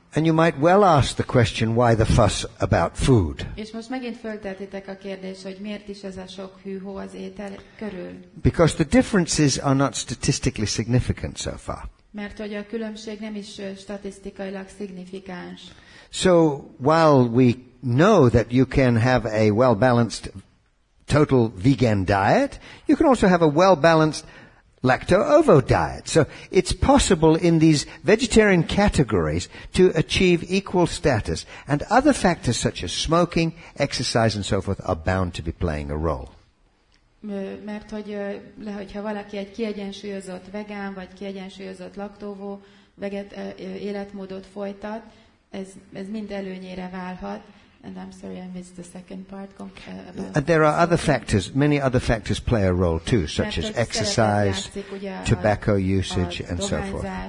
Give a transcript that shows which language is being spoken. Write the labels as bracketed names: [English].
[English] And you might well ask the question, why the fuss about food? [Hungarian] És most megint föltettétek a kérdést, hogy miért is ez a sok hűhó az étel körül? [English] Because the differences are not statistically significant so far. [Hungarian] Mert hogy a különbség nem is statisztikailag szignifikáns. [English] So while we know that you can have a well-balanced total vegan diet, you can also have a well-balanced lacto-ovo diet. So it's possible in these vegetarian categories to achieve equal status. And other factors such as smoking, exercise and so forth are bound to be playing a role. [Hungarian] Mert hogyha valaki egy kiegyensúlyozott vegán vagy kiegyensúlyozott laktóvó életmódot folytat, ez mind előnyére válhat. [English] And I'm sorry, I missed the second part. There are other factors. Many other factors play a role too, such as exercise, tobacco usage, and so forth.